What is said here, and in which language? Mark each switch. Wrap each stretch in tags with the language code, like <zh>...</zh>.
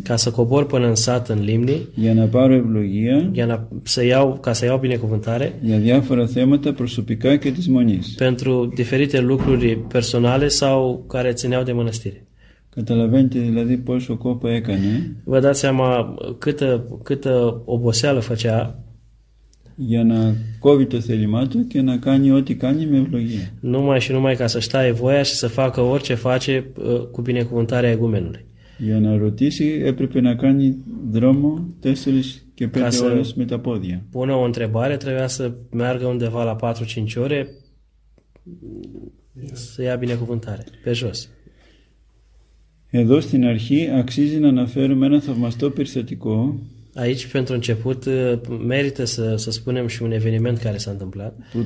<ro>Ca să cobor până în sat în λίμνη.</ro> <el>Για να πάρω ευλογία.</el> <ro>Ca să iau binecuvântare.</ro> <el>Για διάφορα θέματα προσωπικά και της μονής.</el> <ro>Pentru diferite lucruri personale sau care țineau de mănăstire.</ro> <el>Καταλαβαίνετε δηλαδή πόσο κόπο έκανε.</el> <ro>Vă dați seama câtă oboseală făcea.</ro> <el>Για να κόβει το θέλημά του και να κάνει ό,τι κάνει με ευλογία.</el> <ro>Numai și numai ca să-și taie voia și să facă orice face cu binecuvântarea ηγουμένου.</ro> <el>Για να ρωτήσει έπρεπε να κάνει δρόμο 4 και 5 ώρες με τα πόδια.</el> <ro>Πούνε o întrebare, trebuia să meargă undeva la 4-5 ore să ia binecuvântare, pe jos.</ro> <el>Εδώ στην αρχή αξίζει να αναφέρουμε ένα θαυμαστό περιστατικό.</el> <ro>Aici, pentru început, merită să spunem și un eveniment care s-a întâmplat.</ro>